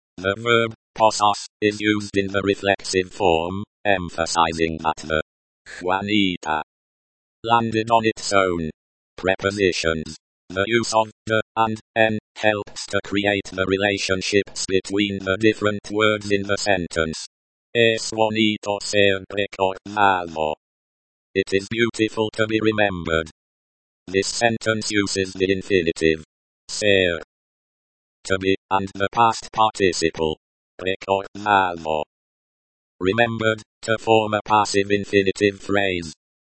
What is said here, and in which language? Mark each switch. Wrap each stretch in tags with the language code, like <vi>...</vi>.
<en>The verb posas is used in the reflexive form, emphasizing that the Juanita landed on its own. Prepositions. The use of the and en helps to create the relationships between the different words in the sentence.</en> <es>Es bonito ser recordado.</es> <en>It is beautiful to be remembered. This sentence uses the infinitive ser, to be, and the past participle recordado, remembered, to form a passive infinitive phrase.</en>